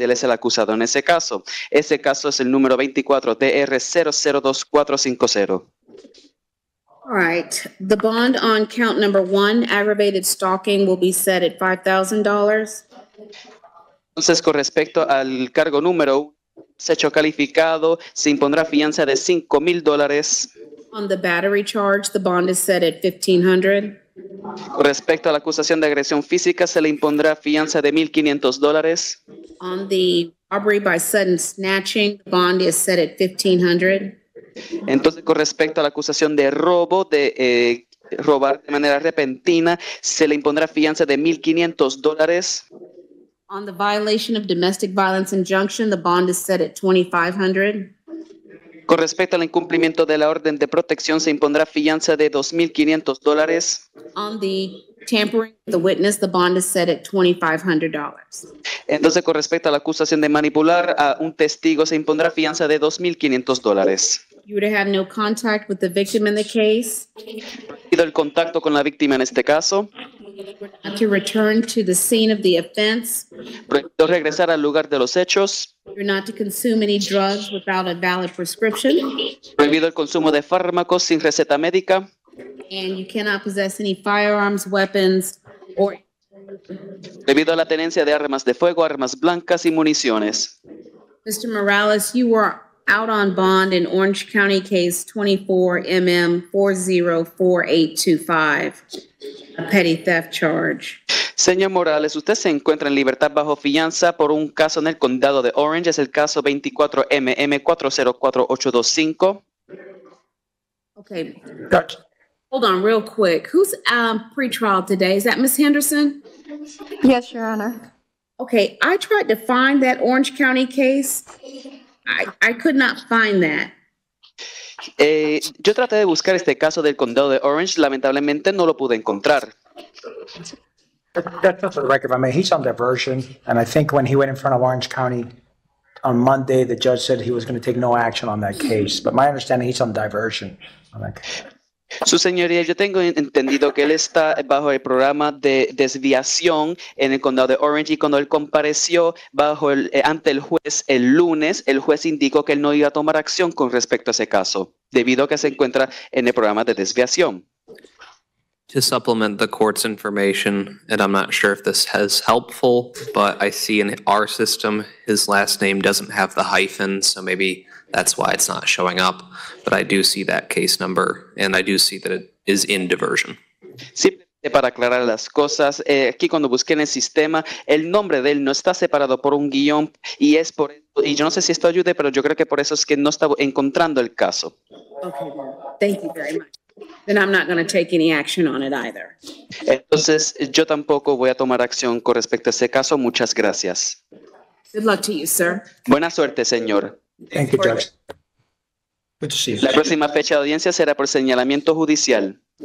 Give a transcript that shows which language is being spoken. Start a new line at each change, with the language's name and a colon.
Spanish: Él es el acusado en ese caso. Ese caso es el número 24-DR-002450.
English: All right. The bond on count number one, aggravated stalking, will be set at $5,000.
Spanish: Entonces, con respecto al cargo número uno, hecho calificado, se impondrá fianza de $5,000.
English: On the battery charge, the bond is set at $1,500.
Spanish: Con respecto a la acusación de agresión física, se le impondrá fianza de $1,500.
English: On the robbery by sudden snatching, the bond is set at $1,500.
Spanish: Entonces, con respecto a la acusación de robo, de robar de manera repentina, se le impondrá fianza de $1,500.
English: On the violation of domestic violence injunction, the bond is set at $2,500.
Spanish: Con respecto al incumplimiento de la orden de protección, se impondrá fianza de $2,500.
English: On the tampering with the witness, the bond is set at $2,500.
Spanish: Entonces, con respecto a la acusación de manipular a un testigo, se impondrá fianza de $2,500.
English: You would have had no contact with the victim in the case.
Spanish: Tenido el contacto con la víctima en este caso.
English: Not to return to the scene of the offense.
Spanish: Prohibido regresar al lugar de los hechos.
English: You're not to consume any drugs without a valid prescription.
Spanish: Prohibido el consumo de fármacos sin receta médica.
English: And you cannot possess any firearms, weapons, or...
Spanish: Debido a la tenencia de armas de fuego, armas blancas y municiones.
English: Mr. Morales, you were out on bond in Orange County case 24MM404825, a petty theft charge.
Spanish: Señor Morales, usted se encuentra en libertad bajo fianza por un caso en el condado de Orange, es el caso 24MM404825.
English: Okay. Gotcha. Hold on real quick. Who's pretrial today? Is that Ms. Henderson? Yes, Your Honor. Okay, I tried to find that Orange County case. I could not find that.
Spanish: Yo traté de buscar este caso del condado de Orange. Lamentablemente, no lo pude encontrar.
English: That's not for the record, but I mean, he's on diversion. And I think when he went in front of Orange County on Monday, the judge said he was going to take no action on that case. But my understanding, he's on diversion.
Spanish: Su señoría, yo tengo entendido que él está bajo el programa de desviación en el condado de Orange y cuando él compareció bajo el, ante el juez el lunes, el juez indicó que él no iba a tomar acción con respecto a ese caso, debido a que se encuentra en el programa de desviación.
English: To supplement the court's information, and I'm not sure if this has helpful, but I see in our system his last name doesn't have the hyphen, so maybe that's why it's not showing up. But I do see that case number, and I do see that it is in diversion.
Spanish: Sí, para aclarar las cosas, aquí cuando busqué en el sistema, el nombre de él no está separado por un guión, y es por eso, y yo no sé si esto ayude, pero yo creo que por eso es que no estaba encontrando el caso.
English: Okay, thank you very much. Then I'm not going to take any action on it either.
Spanish: Entonces, yo tampoco voy a tomar acción con respecto a ese caso. Muchas gracias.
English: Good luck to you, sir.
Spanish: Buena suerte, señor.
English: Thank you, Judge. Good to see you.
Spanish: La próxima fecha de audiencia será por señalamiento judicial.